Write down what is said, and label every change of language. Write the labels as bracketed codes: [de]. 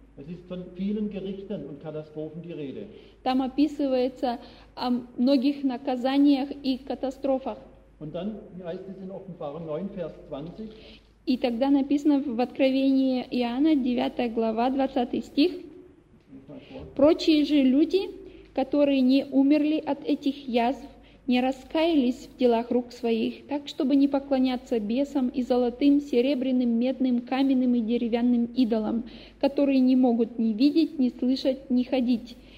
[de] Es ist von vielen Gerichten und Katastrophen die Rede. [ru] Там описывается о многих наказаниях и катастрофах. [de] Und dann heißt es in Offenbarung 9, Vers 20. [ru] И тогда написано в Откровении Иоанна, 9 глава, 20 стих. Прочие же люди, которые не умерли от этих язв, не раскаялись в делах рук своих, так, чтобы не поклоняться бесам и золотым, серебряным, медным, каменным и деревянным идолам, которые не могут ни видеть, ни слышать, ни ходить.